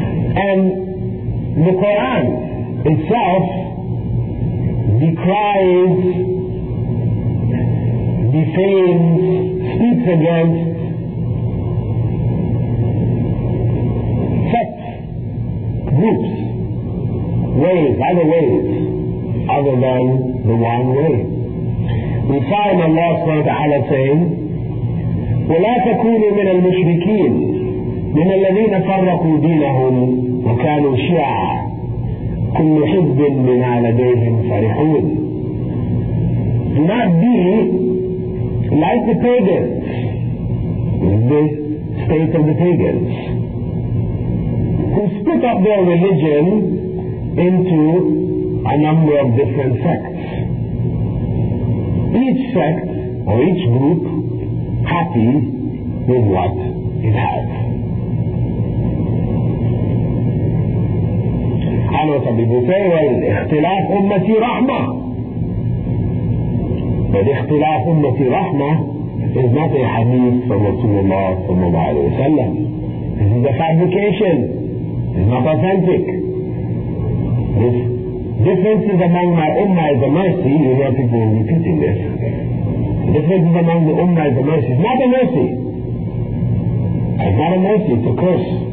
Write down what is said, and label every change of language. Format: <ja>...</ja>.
<en>And the Quran itself decries, defames, speaks against sects, groups, ways, other ways, other than the one way. We saw in Allah subhanahu wa ta'ala saying,</en> <ar>وَلَا تَكُونُوا مِنَ الْمُشْرِكِينَ مِنَ الَّذِينَ فَرَّقُوا دِينَهُمْ وَكَانُوا شِيَعًا كُلُّ حِزْبٍ مِنَا لَدَيْهِمْ فَرِحُونَ.</ar> <en>Do not be like the pagans, the state of the pagans, who split up their religion into a number of different sects. Each sect or each group happy with what it has.</en> <ar>قالوا صلى الله عليه وسلم اختلاف أمتي رحمة.</ar> <en>But</en> <ar>اختلاف أمتي رحمة</ar> <en>is not a hadith from</en> <ar>رسول الله صلى الله عليه وسلم.</ar> <en>This is a fabrication. It's not authentic. This difference is among my ummah is a mercy. You hear people repeating this. The difference is among the ummah is a mercy. It's not a mercy. It's not a mercy. It's a curse.</en>